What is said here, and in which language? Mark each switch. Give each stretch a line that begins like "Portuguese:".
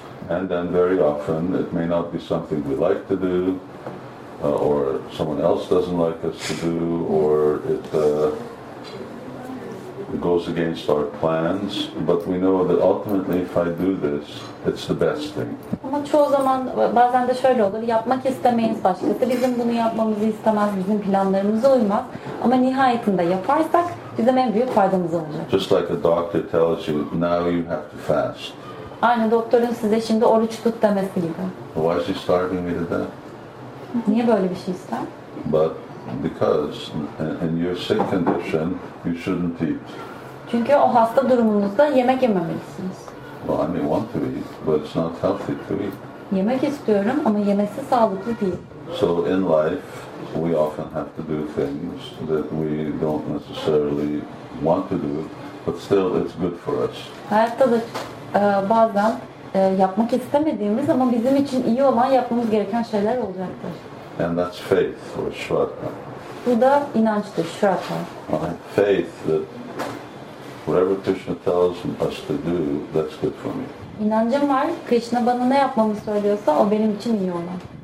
English: And then very often, it may not be something we like to do, or someone else doesn't like us to do, or it goes against our plans, but we know that ultimately if I do this, it's the best thing.
Turkish: Ama çoğu zaman bazen de şöyle olur, yapmak istemeyiz başkası, bizim bunu yapmamızı istemez, bizim planlarımıza uymaz. Ama nihayetinde yaparsak bizim en büyük faydamız olacak.
English: Just like a doctor tells you, now you have to fast.
Turkish: Aynı doktorun size şimdi oruç tut demesi gibi.
English: Why is he starving me to death?
Turkish: Niye böyle bir şey ister?
English: But because in your sick condition you shouldn't eat.
Turkish: Çünkü o hasta durumunuzda yemek yememelisiniz.
English: Well, I may want to eat, but it's not healthy to eat.
Turkish: Yemek istiyorum ama yemesi sağlıklı değil.
English: So in life we often have to do things that we don't necessarily want to do, but still it's good for us.
Turkish: Hayatta da bazen yapmak istemediğimiz ama bizim için iyi olan yapmamız gereken şeyler olacaktır.
English: And that's faith or shraddha.
Turkish: Bu da inançtır, shraddha.
English: Faith that whatever Krishna tells us to do, that's good for me.
Turkish: İnancım var, Krishna bana ne yapmamı söylüyorsa o benim için iyi olan.